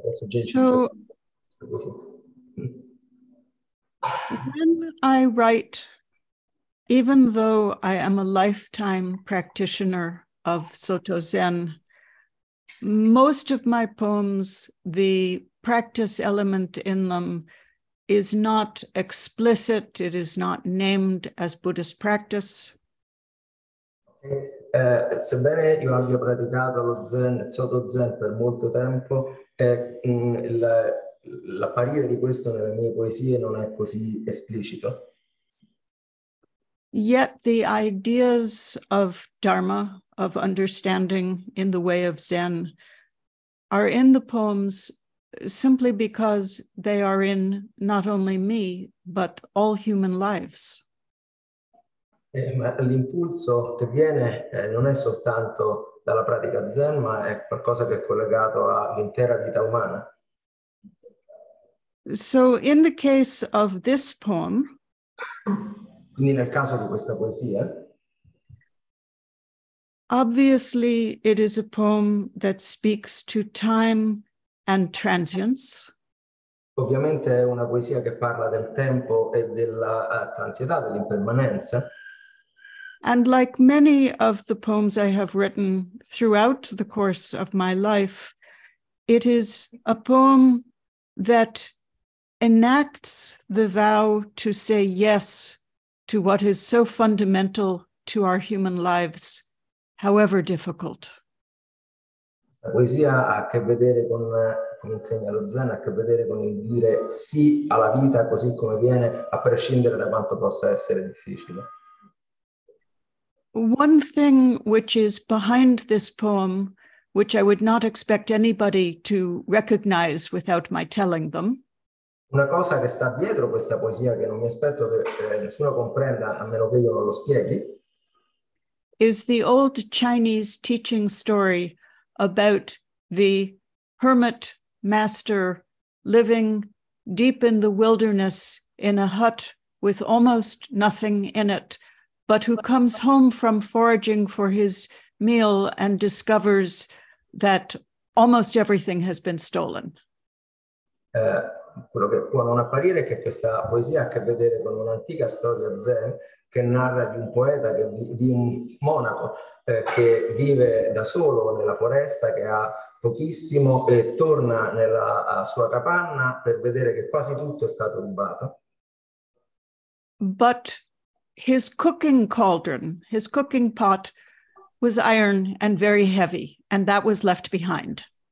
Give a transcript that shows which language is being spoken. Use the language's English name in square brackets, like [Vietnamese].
[English] So, when I write, even though I am a lifetime practitioner of Soto Zen, most of my poems, the practice element in them is not explicit, it is not named as Buddhist practice. [Italian] Sebbene io abbia praticato lo Zen, il Soto Zen, per molto tempo, l'apparire di questo nelle mie poesie non è così esplicito. [English] Yet the ideas of Dharma, of understanding in the way of Zen, are in the poems simply because they are in not only me, but all human lives. [Italian] Ma l'impulso che viene non è soltanto dalla pratica Zen, ma è qualcosa che è collegato all'intera vita umana. [English] So in the case of this poem, [Italian] quindi nel caso di questa poesia, [English] obviously it is a poem that speaks to time and transience. [Italian] Ovviamente è una poesia che parla del tempo e della transietà, dell'impermanenza. [English] And like many of the poems I have written throughout the course of my life, it is a poem that enacts the vow to say yes to what is so fundamental to our human lives, however difficult. [Italian] La poesia ha a che vedere con, come insegna lo Zen, ha a che vedere con il dire sì alla vita così come viene, a prescindere da quanto possa essere difficile. [English] One thing which is behind this poem, which I would not expect anybody to recognize without my telling them. [Italian] Una cosa che sta dietro questa poesia che non mi aspetto che nessuno comprenda a meno che io non lo spieghi. [English] Is the old Chinese teaching story about the hermit master living deep in the wilderness in a hut with almost nothing in it, but who comes home from foraging for his meal and discovers that almost everything has been stolen. [Italian] Quello che può non apparire è che questa poesia ha a che vedere con un'antica storia Zen che narra di un poeta, di un monaco che vive da solo nella foresta, che ha pochissimo e torna nella sua capanna per vedere che quasi tutto è stato rubato. [English] But his cooking cauldron, his cooking pot, was iron and very heavy, and that was left behind.